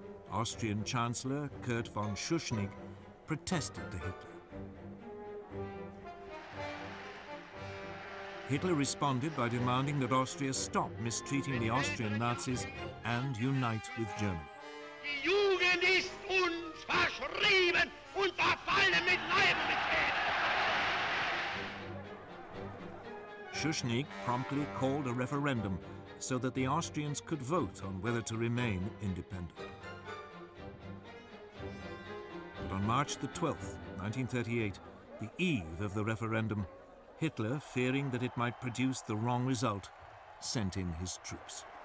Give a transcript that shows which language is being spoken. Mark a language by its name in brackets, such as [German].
[English] Austrian Chancellor Kurt von Schuschnigg protested to Hitler. Hitler responded by demanding that Austria stop mistreating the Austrian Nazis and unite with Germany. [German] Die Jugend ist uns verschrieben und verfallen mit Leib und Seele. [English] Schuschnigg promptly called a referendum so that the Austrians could vote on whether to remain independent. But on March the 12th, 1938, the eve of the referendum, Hitler, fearing that it might produce the wrong result, sent in his troops.